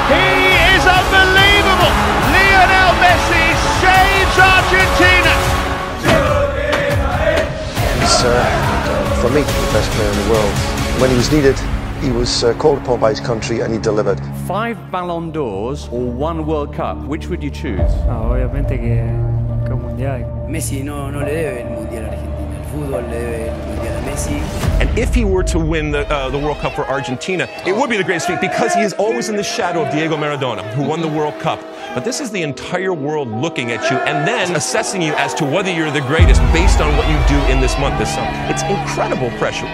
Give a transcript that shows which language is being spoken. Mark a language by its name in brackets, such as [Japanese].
[English] He is unbelievable! Lionel Messi saves Argentina! He's, for me, the best player in the world. When he was needed, he was called upon by his country and he delivered. Five Ballon d'Ors or one World Cup, which would you choose? [Spanish] Ah, obviamente que el Mundial. Messi no le debe el Mundial a Argentina. El fútbol le debe el Mundial a Messi. [English] And if he were to win the World Cup for Argentina, it would be the greatest feat because he is always in the shadow of Diego Maradona, who won the World Cup. But this is the entire world looking at you and then assessing you as to whether you're the greatest based on what you do in this month, this summer. It's incredible pressure.